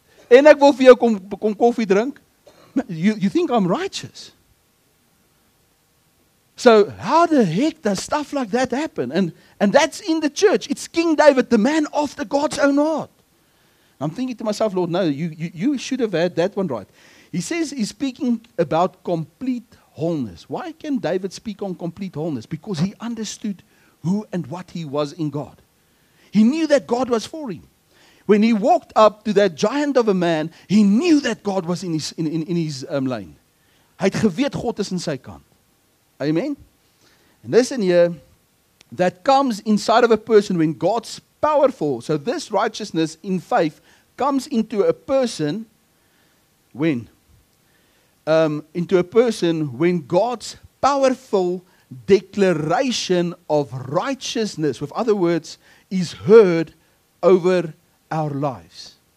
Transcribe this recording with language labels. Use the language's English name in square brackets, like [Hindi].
[Afrikaans] En ek wil vir jou kom koffie drink. [English] You think I'm righteous? So how the heck does stuff like that happen? And that's in the church. It's King David, the man after God's own heart. I'm thinking to myself, Lord, no, you should have had that one right. He says he's speaking about complete wholeness. Why can David speak on complete wholeness? Because he understood who and what he was in God. He knew that God was for him. When he walked up to that giant of a man, he knew that God was in his lane. [Afrikaans] Hy het geweet God is in sy kant. [English] Amen? And listen here, that comes inside of a person when God's powerful. So this righteousness in faith comes into a person when? Into a person when God's powerful declaration of righteousness, with other words, is heard over our lives.